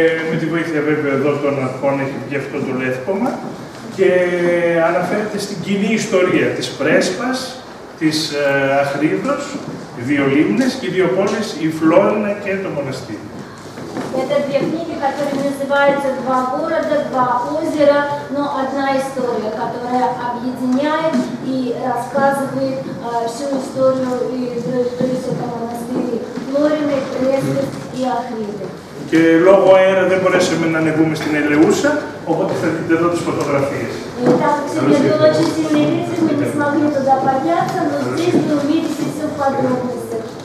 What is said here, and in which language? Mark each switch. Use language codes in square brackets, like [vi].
[el] Με τη βοήθεια βέβαια εδώ των αρχών έχει βγει αυτό το λεύκομα. Και αναφέρεται στην κοινή ιστορία της Πρέσπας, της Αχρίδος, δύο λίμνες και δύο πόλεις, η Φλόρινα και το μοναστήρι. [ru] Это две книги, которые называются «Два города, два озера», но одна история, которая объединяет и рассказывает всю историю и историю монастыря Флорины, Пресы и Ахриды. [el] Και λόγω αέρα δεν μπορέσαμε να ανεβούμε στην Ελεούσα, οπότε θα δείτε εδώ τις φωτογραφίες. Ήταν ξεκινήσει, δεν μπορούσαμε να πάμε εδώ, αλλά εδώ θα δείτε όλα τα [ru] подробности.